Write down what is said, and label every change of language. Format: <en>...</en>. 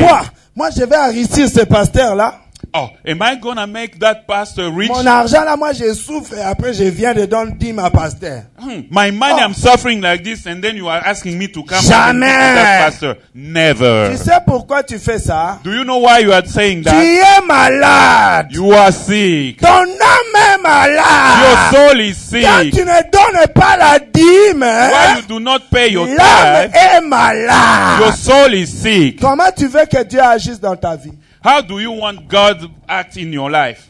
<fr>Toi, moi je vais enrichir ce pasteur là.</fr> <en>Oh, am I gonna make that pastor rich?</en> <fr>Mon argent là, moi je souffre et après je viens de donner dîme à pasteur.</fr> <en>My money, oh. I'm suffering like this and then you are asking me to come.</en> <fr>Jamais.</fr> <en>That pastor. Never.</en> <fr>Tu sais pourquoi tu fais ça?</fr> <en>Do you know why you are saying that?</en> <fr>Tu es malade.</fr> <en>You are sick.</en> <fr>Ton âme est malade.</fr> <en>Your soul is sick.</en> <fr>Quand tu ne donnes pas la dîme,</fr> <en>why you do not pay your tithe?</en> <fr>L'âme est malade.</fr> <en>Your soul is sick.</en> <fr>Comment tu veux que Dieu agisse dans ta vie?</fr> <en>How do you want God act in your life?</en>